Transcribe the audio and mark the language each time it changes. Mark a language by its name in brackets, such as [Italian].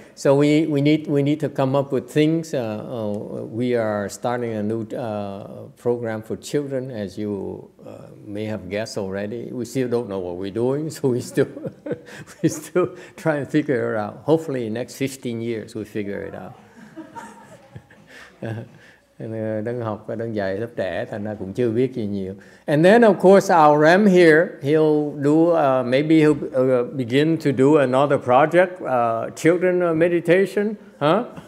[English] So we need to come up with things. We are starting a new program for children, as you may have guessed already. We still don't know what we're doing, so we still try and figure it out. Hopefully, in the next 15 years, we figure it out. [Vietnamese] Đang học và đang dạy lớp trẻ thành ra cũng chưa biết gì nhiều. [English] And then of course our Rem here, he'll do maybe he'll begin to do another project, children meditation, huh?